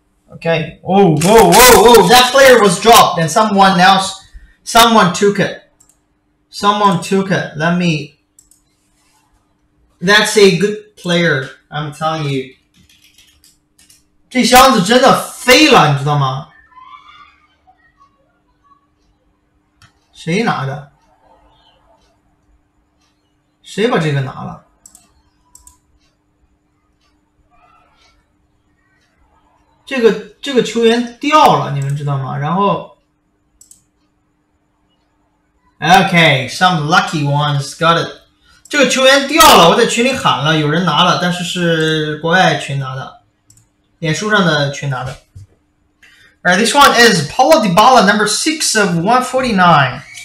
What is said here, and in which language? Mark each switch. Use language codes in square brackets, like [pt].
[en] 哦, that player was dropped and someone took it. Let me, that's a good player, I'm telling you. [zh] 这箱子真的飞了，你知道吗？谁拿的？谁把这个拿了？这个球员掉了，你们知道吗？ [en] 然后 ，Okay, some lucky ones got it. [zh] 这个球员掉了，我在群里喊了，有人拿了，但是是国外群拿的。脸书上的群拿的。 [en] Alright, this one is Paulo Dybala, number 6 of 149.